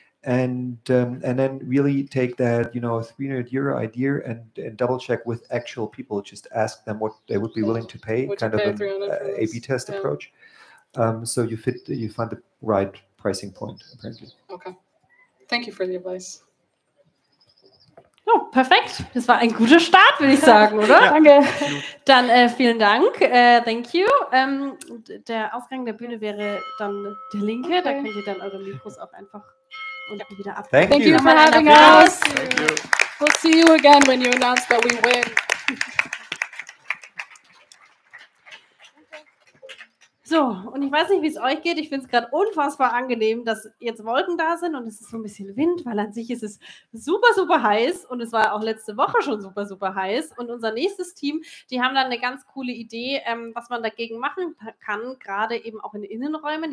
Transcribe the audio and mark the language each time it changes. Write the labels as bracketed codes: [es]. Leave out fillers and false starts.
[en] And then really take that, you know, 300 euro idea and double check with actual people, just ask them what they would be willing to pay, would kind pay of an A-B test yeah. approach. So you fit, you find the right pricing point, apparently. Okay. Thank you for the advice. [de] Oh, perfekt. Das war ein guter Start, würde ich sagen, oder? Ja. Danke. Dann vielen Dank. [en] Thank you. [de] Der Ausgang der Bühne wäre dann der linke. Okay. Da könnt ihr dann eure Mikros auch einfach wieder ab. [en] Thank you for having us. We'll see you again when you announce that we win. [de] So, und ich weiß nicht, wie es euch geht. Ich finde es gerade unfassbar angenehm, dass jetzt Wolken da sind und es ist so ein bisschen Wind, weil an sich ist es super, super heiß und es war auch letzte Woche schon super, super heiß. Und unser nächstes Team, die haben dann eine ganz coole Idee, was man dagegen machen kann, gerade eben auch in Innenräumen.